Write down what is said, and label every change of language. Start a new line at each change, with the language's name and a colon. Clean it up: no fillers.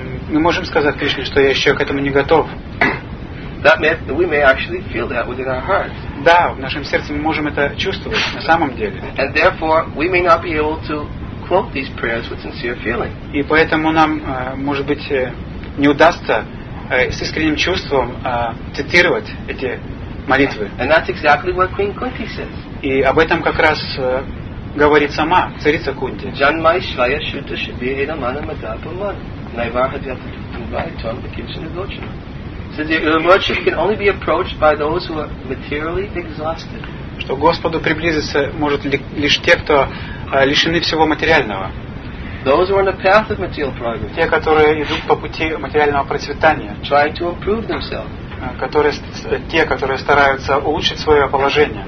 Russian: Мы можем сказать Кришне, что я еще к этому не готов.
English: That means we may actually feel that within our hearts.
Russian: Да, в нашем сердце мы можем это чувствовать на самом деле.
English: And therefore, we may not be able to quote these prayers with sincere feeling.
Russian: И поэтому нам, может быть, не удастся с искренним чувством цитировать эти молитвы.
English: And that's exactly what Queen Kunti says.
Russian: И об этом как раз говорит сама царица Кунти.
Sanskrit: Janmai shvaya shuddha shvira mana madhapa man naivaha dhyata dhubai tom bhikinshana gochana.
English: So the merchant can only be approached by those who are materially exhausted.
Russian: Что Господу приблизиться может лишь те, кто лишены всего материального.
English: Those who are on the path of material progress.
Russian: Те, которые идут по пути материального процветания.
English: Trying to improve themselves.
Russian: Которые, те, которые стараются улучшить свое положение.